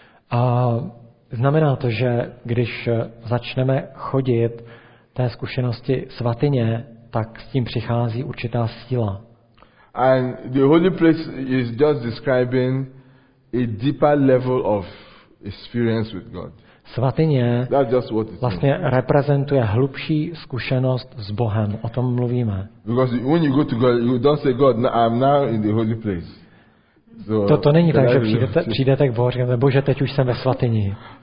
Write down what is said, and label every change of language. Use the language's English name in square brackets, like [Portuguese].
[Czech] A znamená to, že když začneme chodit té zkušenosti svatyně, tak s tím přichází určitá síla. [English] And the holy place is just describing a deeper level of experience with God. [Czech] Svatyně vlastně reprezentuje hlubší zkušenost s Bohem. O tom mluvíme. [English] Because when you go to God, you don't say, God, I'm now in the holy place. [Czech] So, to není tak, že přijdete k Bohu a říkáte, Bože, teď už jsem ve svatyni.